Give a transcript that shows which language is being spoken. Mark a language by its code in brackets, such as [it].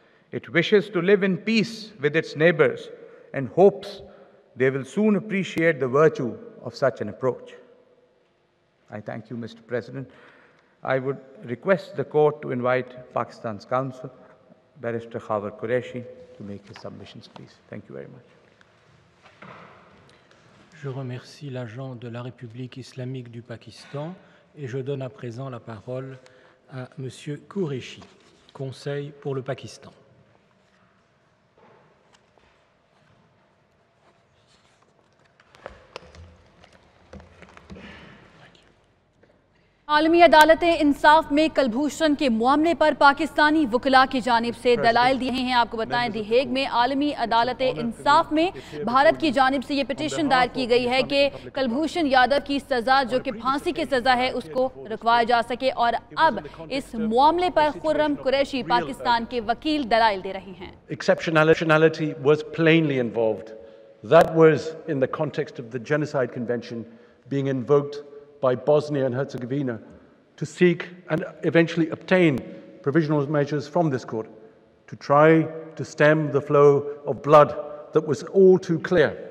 [en] It wishes to live in peace with its neighbors and hopes they will soon appreciate the virtue of such an approach. I thank you, Mr. President. I would request the court to invite Pakistan's counsel, Barrister Khawar Qureshi, to make his submissions, please. Thank you very much. [fr] Je remercie l'agent de la République islamique du Pakistan et je donne à présent la parole à Monsieur Qureshi, Conseil pour le Pakistan. [ur] عالمی عدالتیں انصاف میں کلبھوشن کے معاملے پر پاکستانی وکلاء کی جانب سے دلائل دیے ہیں. آپ کو بتائیں دی ہیگ میں عالمی عدالتیں انصاف میں بھارت کی جانب سے یہ پٹیشن دائر کی گئی ہے کہ کلبھوشن یادو کی سزا جو کہ پھانسی کی سزا ہے اس کو رکوایا جا سکے, اور اب اس معاملے پر خرم قریشی پاکستان کے وکیل دلائل دے رہے ہیں. [en] Exceptionality was plainly involved. That was in the context of the genocide convention being invoked by Bosnia and Herzegovina to seek and eventually obtain provisional measures from this court to try to stem the flow of blood that was all too clear.